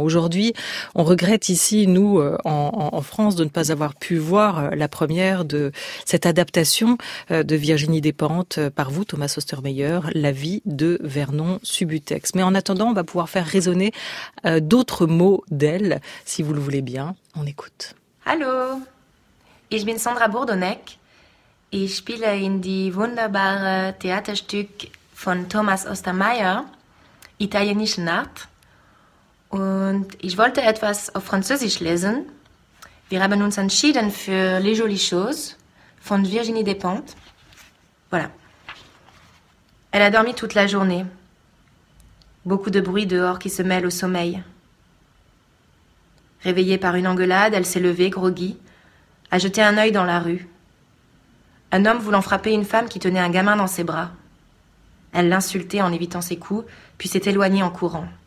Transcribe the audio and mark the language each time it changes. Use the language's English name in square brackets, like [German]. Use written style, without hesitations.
[French] Aujourd'hui, on regrette ici, nous, en France, de ne pas avoir pu voir la première de cette adaptation de Virginie Despentes par vous, Thomas Ostermeyer, La vie de Vernon Subutex. Mais en attendant, on va pouvoir faire résonner d'autres mots d'elle, si vous le voulez bien, on écoute. [German] Hallo, ich bin Sandra Bourdonnec. Ich spiele in die wunderbare Theaterstück von Thomas Ostermeyer, italienische Nacht. Und ich wollte etwas auf Französisch lesen. Wir haben uns entschieden für Les Jolies Choses von Virginie Despentes. [French] Voilà. Elle a dormi toute la journée. Beaucoup de bruit dehors qui se mêle au sommeil. Réveillée par une engueulade, elle s'est levée, groggy, a jeté un œil dans la rue. Un homme voulant frapper une femme qui tenait un gamin dans ses bras. Elle l'insultait en évitant ses coups, puis s'est éloignée en courant.